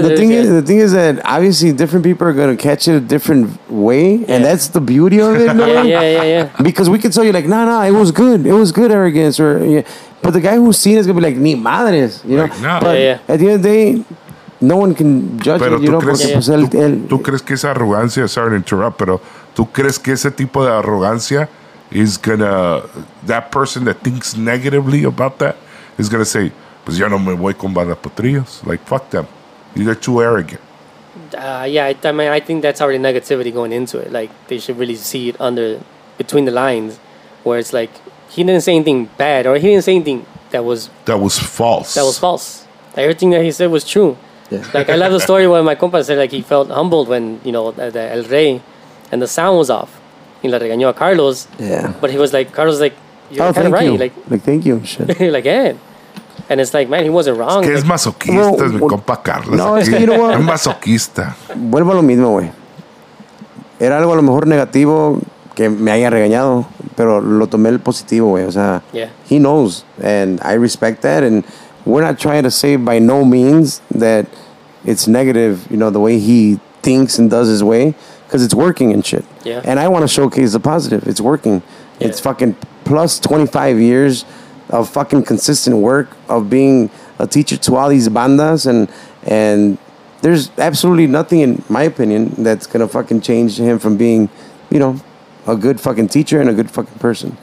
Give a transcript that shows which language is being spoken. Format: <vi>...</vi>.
<en>The thing is that obviously different people are going to catch it a different way. Yeah. And that's the beauty of it. Yeah, yeah, yeah, yeah. Because we could tell you like, no, it was good. It was good arrogance. But the guy who's seen it is going to be like,</en> <es>ni madres.</es> <en>You know? Like, nah. But yeah. At the end of the day, no one can judge</en> <es>pero</es> <en>it. You know?</en> <es>Crees, pues, tú crees que esa arrogancia,</es> <en>sorry to interrupt,</en> <es>pero ¿Tú crees que ese tipo de arrogancia</es> <en>is gonna, that person that thinks negatively about that is gonna say,</en> <es>pues yo no me voy con Banda Potrillos?</es> <en>Like, fuck them. They're too arrogant. I think that's already negativity going into it. Like, they should really see it under, between the lines, where it's like, he didn't say anything bad, or he didn't say anything that was false. Like, everything that he said was true. Yeah. Like, I love the story where my compa said, like, he felt humbled when, you know, the El Rey, and the sound was off.</en> <es>He la regañó a Carlos.</es> <en>Yeah. But he was like, Carlos, like, you're kind of right. You. Like, thank you. Shit. Like, yeah. And it's like, man, he wasn't wrong.</en> <es>Es que es masoquista, like, es mi compa Carlos. No, es que,</es> <en>you know what?</en> <es>Es masoquista. Vuelvo a lo mismo, güey. Era algo a lo mejor negativo que me haya regañado, pero lo tomé el positivo, güey. O sea,</es> <en>yeah. He knows, and I respect that. And we're not trying to say by no means that it's negative, you know, the way he thinks and does his way, because it's working and shit. Yeah. And I want to showcase the positive. It's working. Yeah. It's fucking plus 25 years of fucking consistent work of being a teacher to all these bandas, and there's absolutely nothing, in my opinion, that's gonna fucking change him from being, you know, a good fucking teacher and a good fucking person.</en>